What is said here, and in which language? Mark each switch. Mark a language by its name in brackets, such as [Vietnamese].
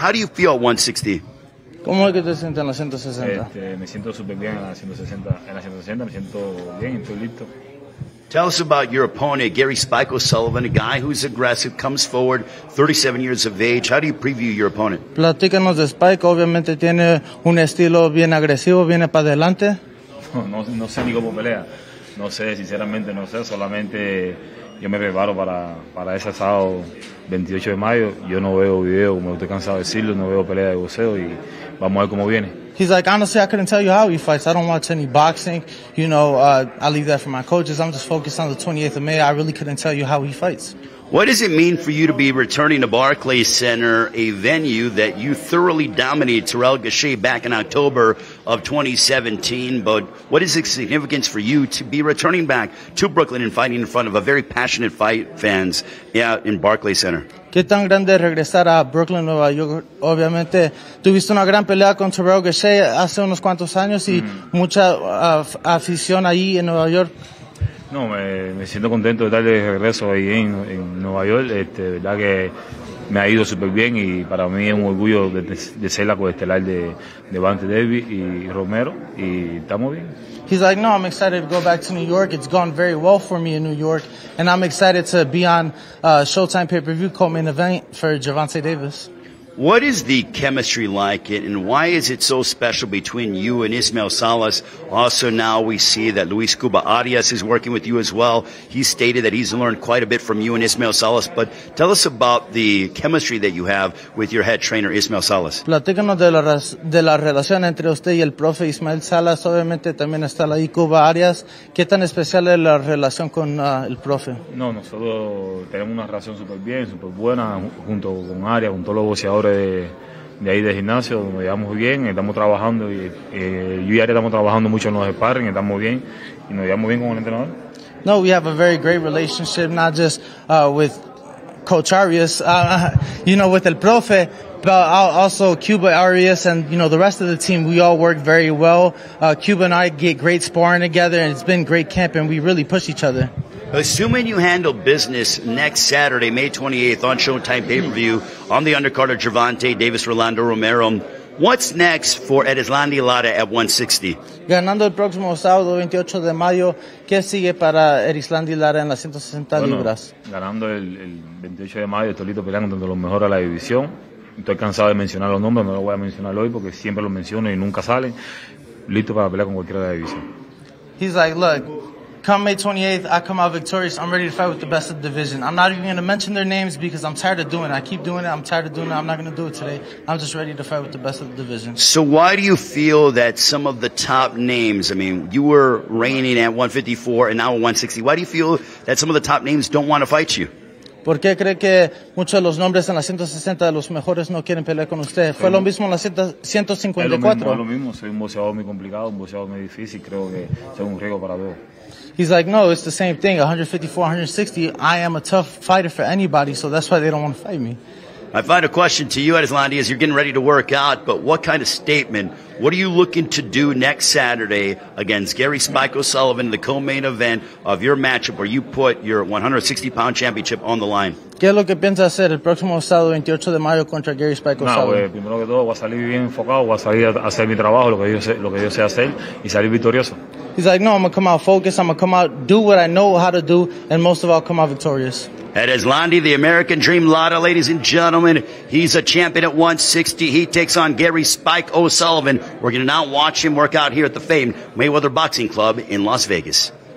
[English] How do you feel at 160? [Spanish] ¿Cómo es que te sientes en la 160? Me siento súper bien en la 160. En la 160 me siento bien, estoy listo. [English] Tell us about your opponent, Gary Spike O'Sullivan, a guy who's aggressive, comes forward, 37 years of age. How do you preview your opponent? [Spanish] Platícanos de Spike. Obviamente tiene un estilo bien agresivo, viene para adelante. No sé ni cómo pelea. No sé, sinceramente no sé. Solamente yo me preparo para ese sábado 28 de mayo. Yo no veo video, como estoy cansado de decirlo. No veo pelea de boxeo y vamos a ver cómo viene. [English] He's like, honestly, I couldn't tell you how he fights. I don't watch any boxing. You know, I leave that for my coaches. I'm just focused on the 28th of May. I really couldn't tell you how he fights. What does it mean for you to be returning to Barclays Center, a venue that you thoroughly dominated Terrell Gachet back in October of 2017? But what is the significance for you to be returning back to Brooklyn and fighting in front of a very passionate fight fans in Barclays Center? [Spanish] ¿Qué tan grande regresar a Brooklyn, Nueva York? Obviamente, tuviste una gran pelea con Terrell Gachet hace unos cuantos años y mucha afición ahí en Nueva York. No, me siento contento de estar de regreso ahí en Nueva York. Verdad que me ha ido súper bien y para mí es un orgullo de ser la coestelar de Vante Davis y Romero y estamos bien. [English] He's like, no, I'm excited to go back to New York. It's gone very well for me in New York and I'm excited to be on Showtime Pay-Per-View co-main event for Gervonta Davis. What is the chemistry like and why is it so special between you and Ismael Salas? Also, now we see that Luis Cuba Arias is working with you as well. He stated that he's learned quite a bit from you and Ismael Salas. But tell us about the chemistry that you have with your head trainer, Ismael Salas. [Spanish] Platícanos de la relación entre usted y el profe Ismael Salas. Obviamente también está ahí Cuba Arias. ¿Qué tan especial es la relación con el profe? No, nosotros tenemos una relación súper bien, súper buena, junto con Arias, junto a los boxeadores. De ahí de gimnasio, nos llevamos bien, estamos trabajando y yo y Ari estamos trabajando mucho en los sparring, estamos bien y nos llevamos bien con el entrenador. [English] No, we have a very great relationship, not just with Coach Arias, you know, with el profe, but also Cuba Arias and, you know, the rest of the team. We all work very well. Cuba and I get great sparring together and it's been great camp and we really push each other. Assuming you handle business next Saturday, May 28th, on Showtime Pay-Per-View, on the undercard of Gervonta Davis, Rolando Romero, what's next for Edislandi Lara at 160? [Spanish] Ganando el próximo sábado 28 de mayo, ¿qué sigue para Edislandi Lara en las 160 libras? Bueno, ganando el 28 de mayo, estoy listo peleando contra los mejores de la división. Estoy cansado de mencionar los nombres, no los voy a mencionar hoy porque siempre los menciono y nunca salen. Listo para pelear con cualquiera de la división. [English] He's like, look, come May 28th, I come out victorious. I'm ready to fight with the best of the division. I'm not even going to mention their names because I'm tired of doing it. I keep doing it. I'm tired of doing it. I'm not going to do it today. I'm just ready to fight with the best of the division. So why do you feel that some of the top names, I mean, you were reigning at 154 and now at 160. Why do you feel that some of the top names don't want to fight you? [Spanish] ¿Por qué cree que muchos de los nombres en la 160 de los mejores no quieren pelear con usted? ¿Fue lo mismo en la 154? Es lo mismo, soy un boxeador muy complicado, un boxeador muy difícil, creo que soy un riesgo para todos. [English] He's like, no, it's the same thing, 154, 160, I am a tough fighter for anybody, so that's why they don't want to fight me. My final question to you, Edislandi, is you're getting ready to work out, but what kind of statement, what are you looking to do next Saturday against Gary Spike O'Sullivan, the co-main event of your matchup where you put your 160-pound championship on the line? [Spanish] ¿Qué es lo que piensa hacer el próximo sábado 28 de mayo contra Gary Spike O'Sullivan? No, primero que todo, voy a salir bien enfocado, voy a salir a hacer mi trabajo, lo que yo sé hacer, y salir victorioso. [English] He's like, no, I'm going to come out focused, I'm going to come out, do what I know how to do, and most of all, come out victorious. That is Landy, the American Dream Lotta, ladies and gentlemen. He's a champion at 160. He takes on Gary Spike O'Sullivan. We're going to now watch him work out here at the famed Mayweather Boxing Club in Las Vegas.